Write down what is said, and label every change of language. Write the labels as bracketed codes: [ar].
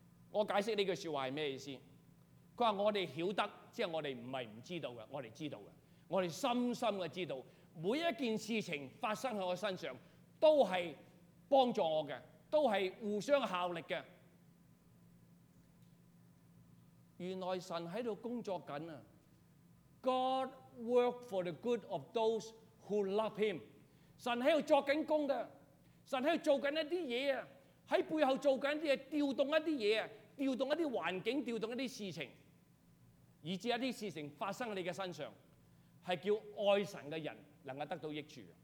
[zh] 我解释这句说话是什么意思？他说我们晓得，即是我们不是不知道的，我们知道的，我们深深的知道，每一件事情发生在我身上，都是帮助我的，都是互相效力的。原来神在这里工作着啊。 [en] God work for the good of those who love him。 [zh] 神在做紧工的，神在做紧一些事，在背后做紧一些事，调动一些事，调动一些环境，调动一些事情，以致一些事情发生在你的身上，是叫爱神的人能够得到益处。